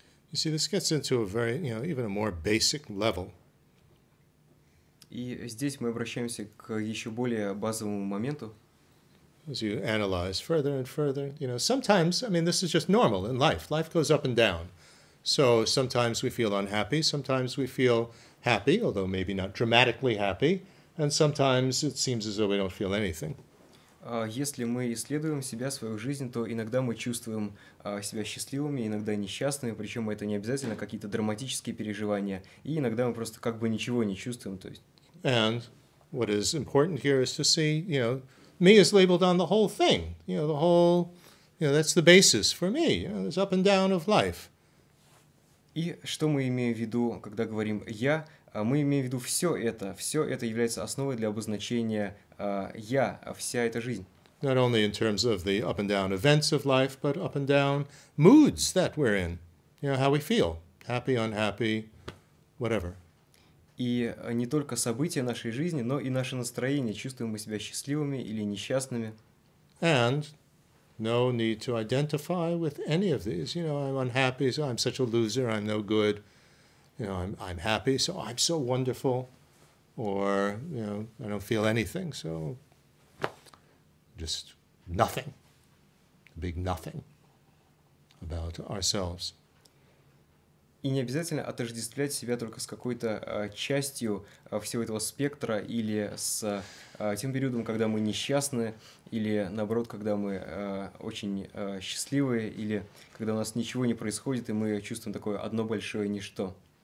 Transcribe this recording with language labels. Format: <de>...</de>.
<en>You see, this gets into a very, you know, even a more basic level.</en> <ru>И здесь мы обращаемся к еще более базовому моменту.</ru> <en>As you analyze further and further, you know, sometimes, I mean, this is just normal in life. Life goes up and down. So sometimes we feel unhappy, sometimes we feel happy, although maybe not dramatically happy, and sometimes it seems as though we don't feel anything.</en> <ru>Если мы исследуем себя, свою жизнь, то иногда мы чувствуем себя счастливыми, иногда несчастными, причем это не обязательно какие-то драматические переживания, и иногда мы просто как бы ничего не чувствуем. То есть...</ru> <en>And what is important here is to see, you know, me is labeled on the whole thing, you know, the whole, you know, that's the basis for me, you know, it's up and down of life.</en> <ru>И что мы имеем в виду, когда говорим «я»? Мы имеем в виду все это является основой для обозначения «я», вся эта жизнь.</ru> <en>Not only in terms of the up and down events of life, but up and down moods that we're in, you know, how we feel, happy, unhappy, whatever.</en> <ru>И не только события нашей жизни, но и наше настроение, чувствуем мы себя счастливыми или несчастными.</ru> <en>And no need to identify with any of these, you know, I'm unhappy, so I'm such a loser, I'm no good. You know, I'm happy, so I'm so wonderful, or, you know, I don't feel anything, so just nothing, a big nothing about ourselves.</en> <ru>И не обязательно отождествлять себя только с какой-то частью всего этого спектра или с тем периодом, когда мы несчастны, или наоборот, когда мы очень счастливы, или когда у нас ничего не происходит, и мы чувствуем такое одно большое ничто.</ru>